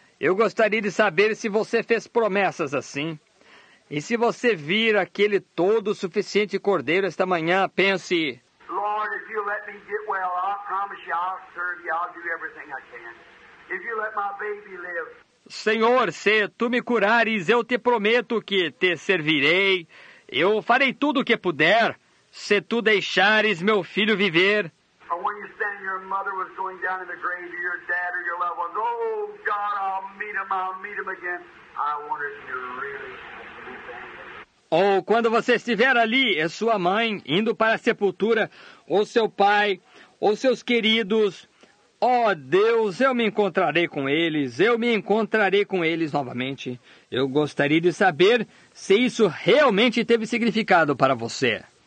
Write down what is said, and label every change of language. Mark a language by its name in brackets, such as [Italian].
[Portuguese] Eu gostaria de saber se você fez promessas assim. E se você vir aquele todo o suficiente cordeiro esta manhã, pense... [English] Lord, if you let me get well, I promise you I'll serve you, I'll do everything I can. If you let my baby live... [Portuguese] Senhor, se tu me curares, eu te prometo que te servirei. Eu farei tudo o que puder, se tu deixares meu filho viver. [English] When you said your mother was going down in the grave, your dad or your loved ones, oh, God, I'll meet him again. I wanted you to really... [Portuguese] Ou quando você estiver ali, é sua mãe indo para a sepultura, ou seu pai, ou seus queridos. Oh, Deus, eu me encontrarei com eles, eu me encontrarei com eles novamente. Eu gostaria de saber se isso realmente teve significado para você.